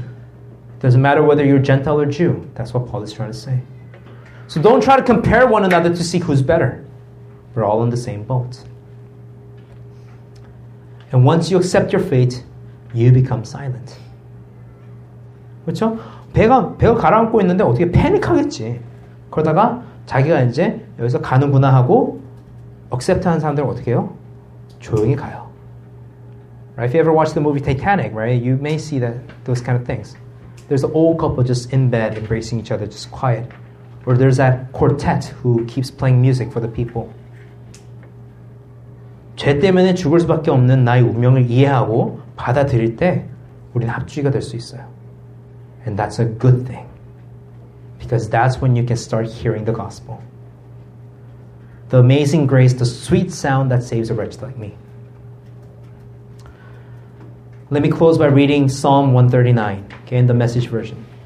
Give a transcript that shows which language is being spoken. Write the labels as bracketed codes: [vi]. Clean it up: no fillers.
[en] It doesn't matter whether you're Gentile or Jew. That's what Paul is trying to say. So don't try to compare one another to see who's better. We're all in the same boat. And once you accept your fate, you become silent. [ko] 그렇죠? 배가 가라앉고 있는데 어떻게 패닉하겠지. 그러다가 자기가 이제 여기서 가는구나 하고 accept하는 사람들은 어떻게 해요? 조용히 가요. [en] Right? If you ever watch the movie Titanic, right? You may see that those kind of things. There's an old couple just in bed, embracing each other, just quiet. Or there's that quartet who keeps playing music for the people. [ko] 죄 때문에 죽을 수밖에 없는 나의 운명을 이해하고 받아들일 때 우리는 합주의가 될 수 있어요. [en] And that's a good thing. Because that's when you can start hearing the gospel. The amazing grace, the sweet sound that saves a wretch like me. Let me close by reading Psalm 139, okay, in the Message version.